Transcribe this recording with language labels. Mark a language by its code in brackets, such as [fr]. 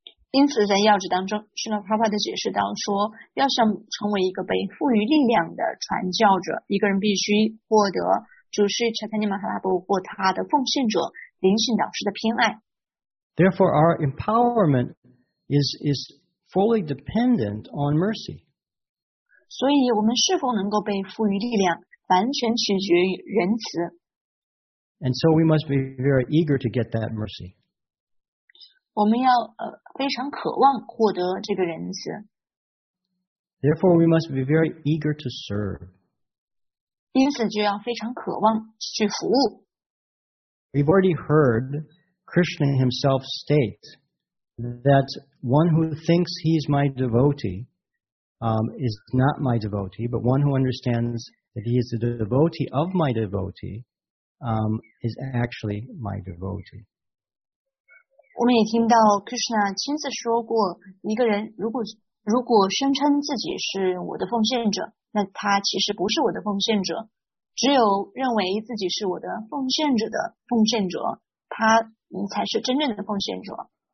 [zh] 因此在要旨当中是呢 Prabhupada 解释到说要想成为一个被赋予力量的传教者一个人必须获得主师 Chaitanya Mahaprabhu 或他的奉献者灵性导师的偏爱。 [en] Therefore, our empowerment is fully dependent on mercy. [zh] 所以我们是否能够被赋予力量完全取决于仁慈。 [en] And so we must be very eager to get that mercy. [zh] 我们要非常渴望获得这个仁慈。 [en] Therefore we must be very eager to serve. [zh] 因此就要非常渴望去服务。 [en] We've already heard Krishna himself state that one who thinks he's my devotee,is not my devotee, but one who understands that he is the devotee of my devotee, is actually my devotee. [zh] 我们也听到 Krishna 亲自说过，一个人如果声称自己是我的奉献者，那他其实不是我的奉献者。只有认为自己是我的奉献者的奉献者，他才是真正的奉献者。